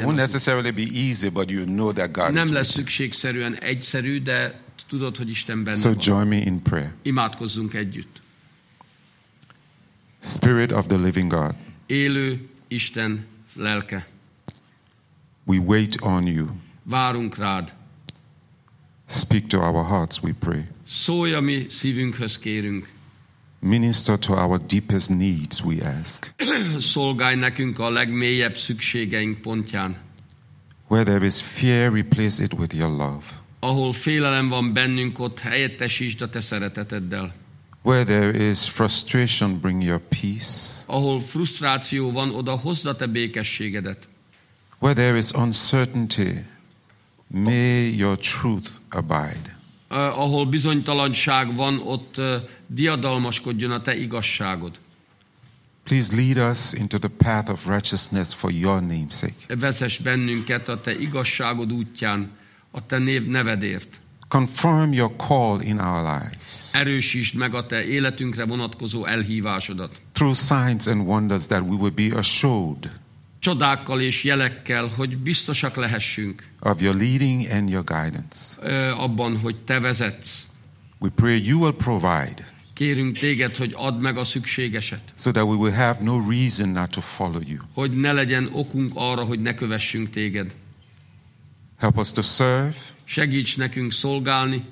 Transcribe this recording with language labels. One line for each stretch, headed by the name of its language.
English: It won't necessarily be easy, but you know that God is with
Hungarian: you. Nem lesz szükségszerűen egyszerű, de tudod, hogy Isten benne
English: van. So join me in prayer.
Hungarian: Imádkozzunk együtt.
English: Spirit of the living God.
Hungarian: Élő Isten lelke.
English: We wait on you.
Hungarian: Várunk rád.
English: Speak to our hearts, we pray.
Hungarian: Szólj a mi szívünkhöz, kérünk.
English: Minister to our deepest needs, we ask.
Hungarian: Szolgálj nekünk a legmélyebb szükségeink pontján.
English: Where there is fear, replace it with your love.
Hungarian: Ahol félelem van bennünk, ott helyettesítsd a te szereteteddel.
English: Where there is frustration, bring your peace.
Hungarian: Ahol frusztráció van, oda hozd a te békességedet.
English: Where there is uncertainty, may your truth abide.
Hungarian: Ahol bizonytalanság van, ott diadalmaskodjon a te igazságod.
English: Please lead us into the path of righteousness for your name's sake.
Hungarian: Vezess bennünket a te igazságod útján, a te nevedért.
English: Confirm your call in our lives.
Hungarian: Erősítsd meg a te életünkre vonatkozó elhívásodat.
English: Through signs and wonders that we will be assured.
Hungarian: Csodákkal és jelekkel, hogy biztosak lehessünk.
English: Of your leading and your guidance.
Hungarian: Abban, hogy te vezetsz.
English: We pray you will provide.
Hungarian: Kérünk téged, hogy add meg a szükségeset.
English: So that we will have no reason not to follow you.
Hungarian: Hogy ne legyen okunk arra, hogy ne kövessünk téged.
English: Help us to serve.
Hungarian: Segíts nekünk szolgálni.